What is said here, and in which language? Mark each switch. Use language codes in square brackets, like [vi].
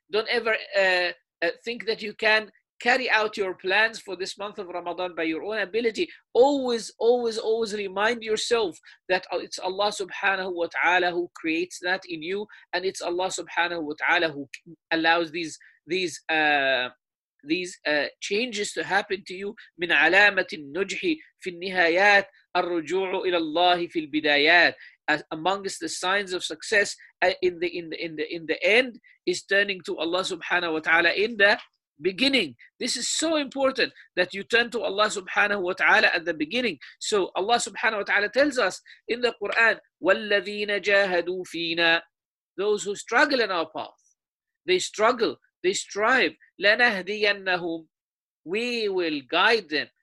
[en] Don't ever think that you can carry out your plans for this month of Ramadan by your own ability. Always, always, always remind yourself that it's Allah subhanahu wa ta'ala who creates that in you, and it's Allah subhanahu wa ta'ala who allows these changes to happen to you. [ar] من علامة النجح في النهايات الرجوع إلى الله في البدايات. [en] Amongst the signs of success in the end is turning to Allah subhanahu wa ta'ala in the beginning. This is so important that you turn to Allah subhanahu wa ta'ala at the beginning. So Allah subhanahu wa ta'ala tells us in the Quran, [ar] وَالَّذِينَ جَاهَدُوا فِينَا, [en] those who struggle in our path, they struggle, they strive, [ar] لَنَهْدِيَنَّهُمْ, [en] we will guide them.